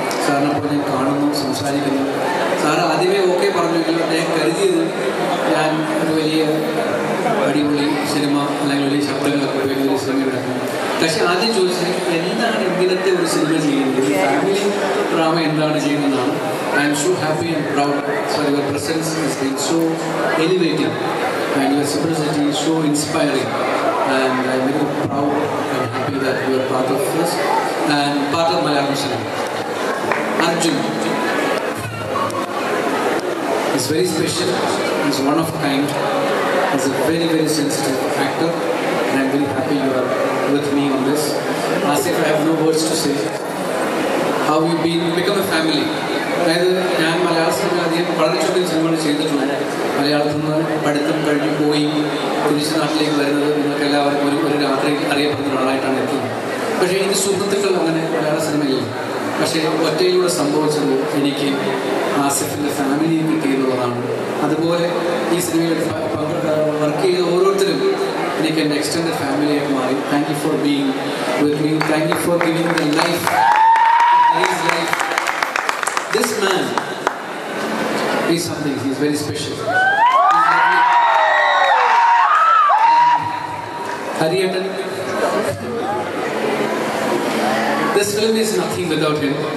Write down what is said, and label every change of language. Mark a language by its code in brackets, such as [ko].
[ml] സാറിനെപ്പോൾ ഞാൻ കാണുന്നു, സംസാരിക്കുന്നു. സാറ് ആദ്യമേ ഓക്കെ പറഞ്ഞെങ്കിലും അദ്ദേഹം കരുതിയത് ഞാൻ ഒരു വലിയ അടിപൊളി സിനിമ അല്ലെങ്കിൽ വലിയ ശബ്ദങ്ങളൊക്കെ ഉപയോഗിച്ച ഒരു സിനിമ ഉണ്ടാക്കും. പക്ഷേ ആദ്യം ചോദിച്ചത് എന്താണ് ഇങ്ങനത്തെ ഒരു സിനിമ ചെയ്യുന്നത്, ഫാമിലി ഡ്രാമ എന്താണ് ചെയ്യുന്നതെന്നാണ്. [en] I am so happy and proud. Sir, your presence has been so elevating and your simplicity is so inspiring. And I am very proud and happy that you are part of this and part of my ambition. Arjun. He's very special, he's one of a kind, he's a very, very sensitive actor, and I'm very happy you are with me on this. Asif, I have no words to say. How have you been? Become a family. [ml] ഞാൻ മലയാളത്തിൽ അധികം പഠനത്തിൽ സിനിമകൾ ചെയ്തിട്ടുണ്ട്. മലയാളത്തിൽ നിന്ന് പഠിത്തം കഴിഞ്ഞു പോയി തിരിച്ച് നാട്ടിലേക്ക് വരുന്നത് നിങ്ങൾക്ക് എല്ലാവർക്കും ഒരു ഒരു രാത്രി അറിയപ്പെടുന്ന ഒരാളായിട്ടാണ് എത്തുന്നത്. പക്ഷേ എനിക്ക് സുഹൃത്തുക്കൾ അങ്ങനെ മലയാള സിനിമയിൽ, പക്ഷേ ഒറ്റയിലൂടെ സംഭവിച്ചത് എനിക്ക് ആസിഫിൻ്റെ ഫാമിലിയിൽ കിട്ടിയെന്നുള്ളതാണ്. അതുപോലെ ഈ സിനിമയിൽ വർക്ക് ചെയ്ത ഓരോരുത്തരും എനിക്ക് എൻ്റെ എക്സ്റ്റെൻഡ് ഫാമിലിയായി മാറി. [en] Thank you for being with me, thank you for giving the life. This man is something, he's very special. Hariyattan, this film is nothing without him.